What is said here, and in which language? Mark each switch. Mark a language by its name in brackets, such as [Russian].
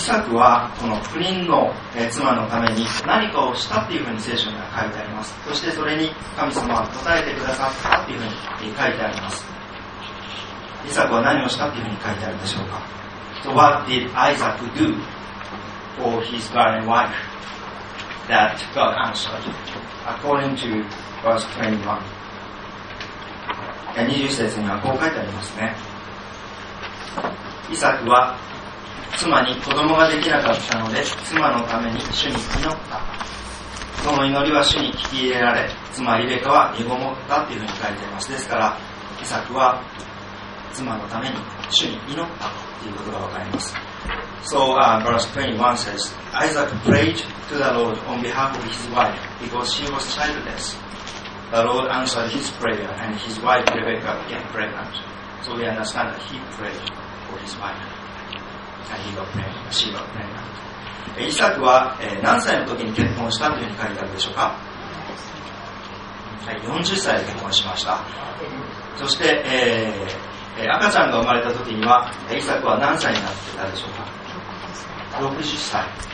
[Japanese] イサクはこの不倫の妻のために何かをしたというふうに聖書には書いてあります。そしてそれに神様は答えてくださったというふうに書いてあります。イサクは何をしたというふうに書いてあるでしょうか。 [English] So what did Isaac do for his barren wife that God answered according to verse 21? [Japanese] 20節にはこう書いてありますね。イサクは妻に子供ができなかったので妻のために主に祈った。その祈りは主に聞き入れられ、妻リベカは身ごもったというふうに書いてあります。ですからイサクは妻のために主に祈ったということがわかります。 [English] So verse 21 says Isaac prayed to the Lord on behalf of his wife because she was childlessThe Lord answered his prayer and his wife Rebecca became pregnant. So we understand that he prayed for his wife and he got pregnant, she got pregnant. [Japanese] イサクは何歳の時に結婚したというふうに書いてあるでしょうか。はい、40歳で結婚しました。そして、赤ちゃんが生まれた時にはイサクは何歳になってたでしょうか。 60歳。